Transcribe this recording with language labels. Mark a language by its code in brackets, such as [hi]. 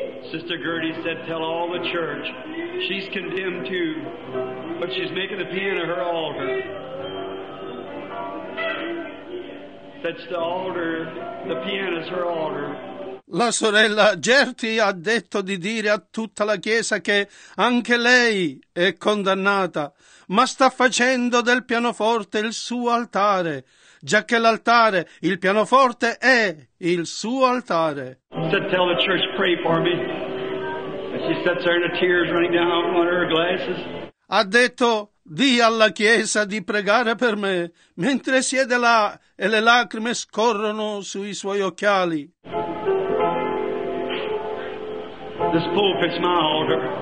[en] Sister Gertie said, tell all the church. She's condemned too, but she's making a piano her altar. That's the altar, the piano's her altar. [it] La sorella Gertie ha detto di dire a tutta la chiesa che anche lei è condannata, ma sta facendo del pianoforte il suo altare. Già che l'altare, il pianoforte è il suo altare. [en] Said, tell the church, pray for me. And she sits there in the tears running down on one of her glasses. [it] Ha detto, di alla chiesa di pregare per me, mentre siede là e le lacrime scorrono sui suoi occhiali. [en] This pulpit's my altar.